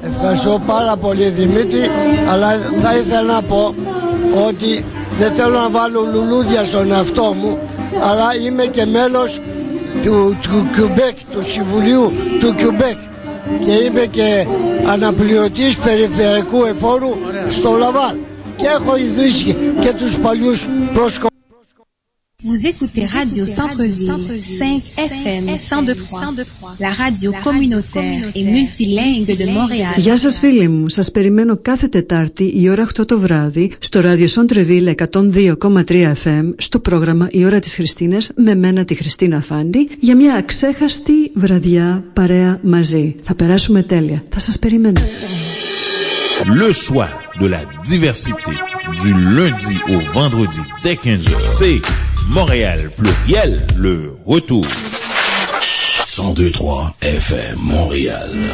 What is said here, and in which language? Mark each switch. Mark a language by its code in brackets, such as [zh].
[el] Ευχαριστώ πάρα πολύ, Δημήτρη, αλλά θα ήθελα να πω ότι δεν θέλω να βάλω λουλούδια στον εαυτό μου, αλλά είμαι και μέλος του Κιουμπέκ, του Συμβουλίου του Κιουμπέκ, και είμαι και αναπληρωτής περιφερειακού εφόρου. Ωραία. Στο Λαβάλ, και έχω ιδρύσει και τους παλιούς προσκοπούς. [fr] Vous écoutez Radio Centre-Ville, 5FM, 102.3, la radio communautaire et multilingue de Montréal. [el] Γεια σας φίλοι μου, σας περιμένω κάθε Τετάρτη η ώρα 8 το βράδυ στο Radio Centre-Ville 102,3 FM στο πρόγραμμα «Η ώρα της Χριστίνας» με μένα τη Χριστίνα Φάντη για μια αξέχαστη βραδιά παρέα μαζί. Θα περάσουμε τέλεια. Θα σας περιμένω. [fr] Le choix de la diversité du lundi au vendredi dès 15h, c'est Montréal Pluriel, le retour. 102.3 FM Montréal.